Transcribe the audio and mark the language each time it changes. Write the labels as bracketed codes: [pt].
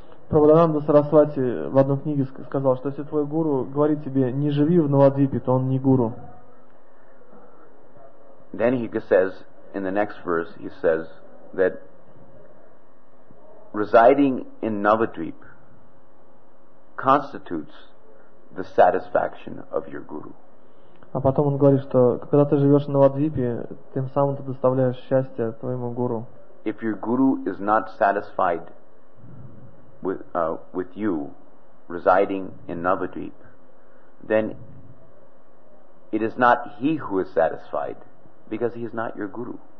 [ru] Prabhupada Sarasvati в одной книге сказал, что если твой гуру говорит тебе не живи в Навадвипе, то он не гуру. [en] Then he says in the next verse, he says that residing in Navadvip constitutes the satisfaction of your guru. [ru] А потом он говорит, что когда ты живешь на Вадвипе, тем самым ты доставляешь счастье твоему гуру. [en] If your guru is not satisfied with you residing in Navadvip, then it is not he who is satisfied, because he is not your guru.